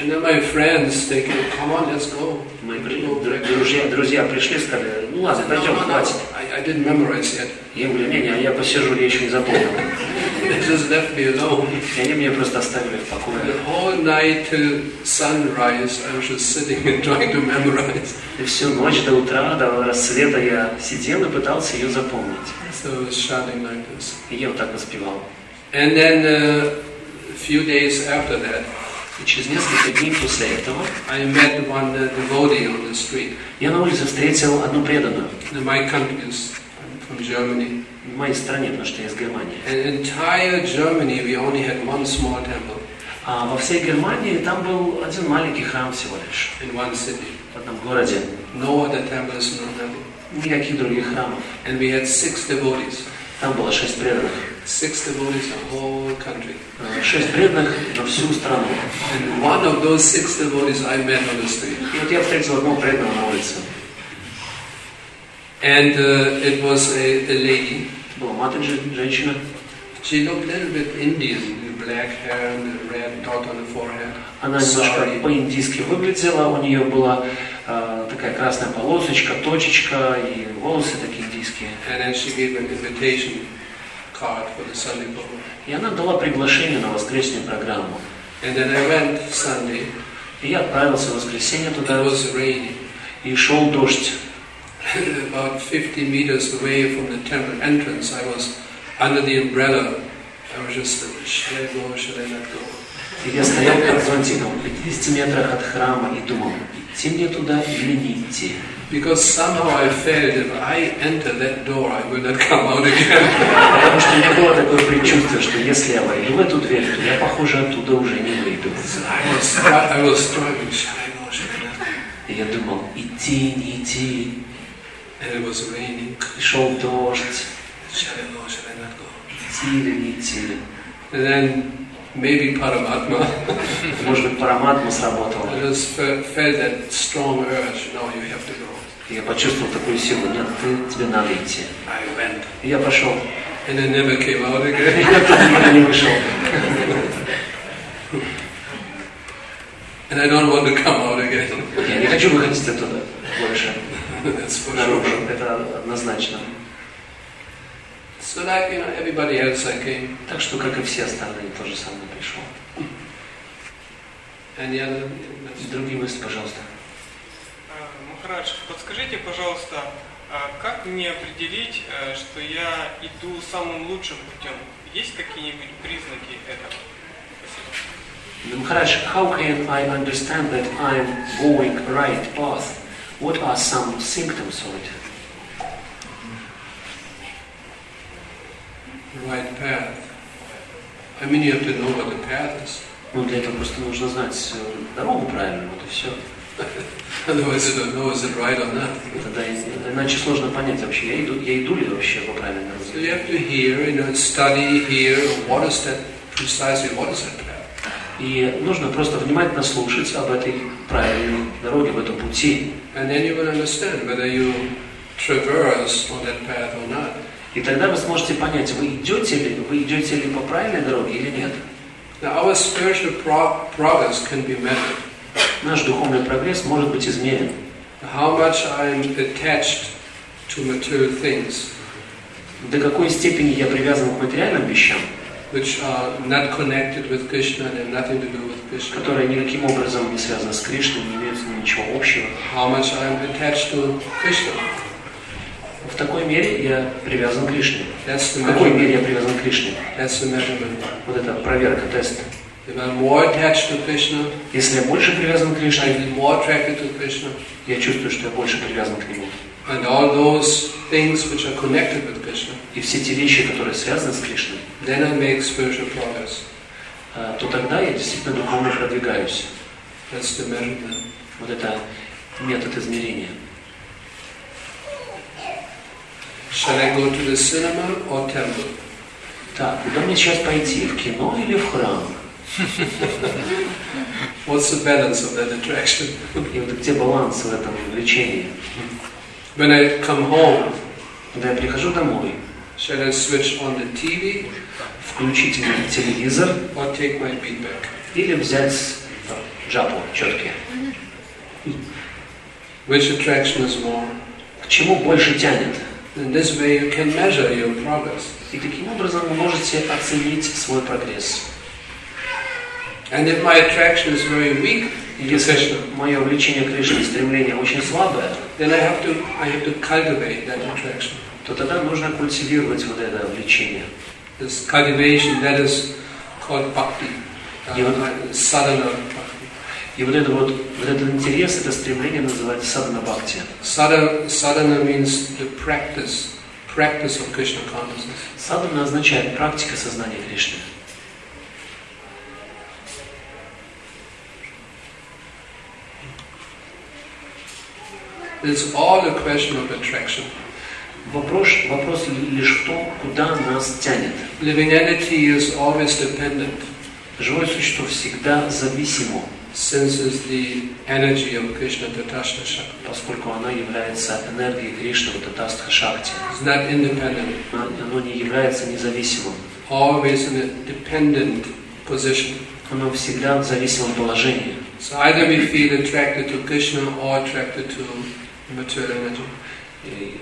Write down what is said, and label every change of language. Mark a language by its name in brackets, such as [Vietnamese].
[English] And then my friends, they came, come on, let's go. [Russian] Друзья пришли, сказали, ну ладно, пойдем, хватит. [English] I didn't memorize yet. [Russian] Я говорю, не, я посижу, я еще не запомнил. [English] They just left me alone. [Russian] И они меня просто оставили в покое. [English] The whole night till sunrise, I was just sitting and trying to memorize. [Russian] И всю ночь до утра, до рассвета я сидел и пытался ее запомнить. [English] So I was shouting like this. [Russian] И я вот так воспевал. [English] And then few days after that, [Russian] и через несколько дней после этого, [English] I met one devotee on the street. [Russian] Я на улице встретил одну преданную. [English] My country is from Germany. [Russian] В моей стране, потому что я из Германии. [English] And entire Germany, we only had one small temple. [Russian] А во всей Германии там был один маленький храм всего лишь. [English] In one city. [Russian] В одном городе. [English] No other temples, no temple. [Russian] Никаких других храмов. [English] And we had six devotees. [Russian] Там было шесть преданных. [English] Six devotees, a whole country. [Russian] Шесть преданных на всю страну. [English] And one of those six devotees I met on the street. [Russian] И вот я встретил одного преданного на улице. [English] And it was a lady. [Russian] Была матаджи, женщина. [English] She looked a little bit Indian, with black hair and a red dot on the forehead. [Russian] Она немножко по-индийски выглядела. У нее была такая красная полосочка, точечка, и волосы такие индийские. [English] And then she gave an invitation card for the Sunday program. [Russian] И она дала приглашение на воскресную программу. [English] And then I went Sunday. [Russian] И я отправился в воскресенье туда. [English] It was raining. [Russian] И шел дождь. [English] About 50 meters away from the temple entrance, I was under the umbrella. I was just, should I go or should I not go? [Russian] И я стоял под зонтиком, 50 метрах от храма, и думал, идти мне туда или не идти? [English] Because somehow I felt if I enter that door, I will not come out again. [Russian] Потому что у меня было такое предчувствие, что если я войду в эту дверь, то я, похоже, оттуда уже не выйду. [English] I was struggling, should I go or should I not go? [Russian] И я думал, идти, не идти. [English] And it was raining. [Russian] И шел дождь. [English] Shall I go, shall I not go? [Russian] Идти или не идти? [English] And then, maybe Paramatma. [Russian] Может быть, Параматма сработала. [English] I just felt that strong urge, no, you have to go. [Russian] Я почувствовал такую силу, нет, тебе надо идти. [English] I went. [Russian] И я пошел. [English] And I never came out again. [Russian] И я никогда не вышел. [English] And I don't want to come out again. [Russian] Я не хочу выходить оттуда больше. [English] That's for sure. [Russian] Это однозначно. [English] So like, you know, everybody else I came. [Russian] Так что, как и все остальные, тоже со мной пришел. [English] Any other? [Russian] Другие мысли, пожалуйста. Махарадж, подскажите, пожалуйста, как мне определить, что я иду самым лучшим путем? Есть какие-нибудь признаки этого? Спасибо. [English] Махарадж, how can I understand that I'm going right path? What are some symptoms of it? Right path. I mean, you have to know what the path is. [Russian] Ну для этого просто нужно знать дорогу правильно, вот и все. [English] Otherwise, you don't know is it right or not. [Russian] Тогда иначе сложно понять вообще, я иду ли вообще по правильному пути. [English] So you have to hear, you know, study here. What is that precisely? What is that path? [Russian] И нужно просто внимательно слушать об этой правильной дороге, об этом пути. [English] And then you will understand whether you traverse on that path or not. [Russian] И тогда вы сможете понять, вы идете ли по правильной дороге или нет. [English] Now our spiritual progress can be measured. [Russian] Наш духовный прогресс может быть измерен. [English] How much I'm attached to material things. [Russian] До какой степени я привязан к материальным вещам? [English] Which are not connected with Krishna and have nothing to do with Krishna. [Russian] Которые никаким образом не связаны с Кришной, не имеют с ним ничего общего. [English] How much I am attached to Krishna? [Russian] В такой мере я привязан к Кришне. [English] That's the [Russian] в какой мере я привязан к Кришне? [English] That's the measurement. [Russian] Вот это проверка, тест. [English] If I'm more attached to Krishna, [Russian] если я больше привязан к Кришне, [English] I'm more attracted to Krishna. [Russian] Я чувствую, что я больше привязан к Нему. [English] And all those things which are connected with Krishna. [Russian] И все те вещи, которые связаны с Кришной. [English] Then I make spiritual progress. [Russian] То тогда я действительно духовно продвигаюсь. [English] That's the measurement. [Russian] Вот это метод измерения. [English] Shall I go to the cinema or temple? [Russian] Так, куда мне сейчас пойти, в кино или в храм? [English] What's the balance of that attraction? [Russian] И вот где баланс в этом влечении? [English] When I come home, [Russian] когда я прихожу домой, [English] should I switch on the TV, [Russian] включить телевизор, [English] or take my beatback, [Russian] или взять джапу, чётки? [English] Which attraction is more? [Russian] К чему больше тянет? [English] In this way you can measure your progress. [Russian] И таким образом вы можете оценить свой прогресс. [English] And if my attraction is very weak, [Russian] если мое влечение к Кришне, стремление очень слабое, [English] then I have to cultivate that attraction. [Russian] То тогда нужно культивировать вот это влечение. [English] This cultivation that is called bhakti, sadhana bhakti. [Russian] И вот это вот, вот этот интерес, это стремление называется sadhana bhakti. [English] Sadhana means the practice of Krishna consciousness. [Russian] Sadhana означает практика сознания Кришны. [English] It's all a question of attraction. [Russian] Вопрос лишь в том, куда нас тянет. [English] Living entity is always dependent. [Russian] Живое существо всегда зависимо. [English] Since it's the energy of Krishna Tathastha Shakti. [Russian] Поскольку оно является энергией Кришны в Tathastha Shakti. [English] It's not independent. [Russian] Оно не является независимым. [English] Always in a dependent position. [Russian] Оно всегда в зависимом положении. [English] So either we feel attracted to Krishna or attracted to material energy.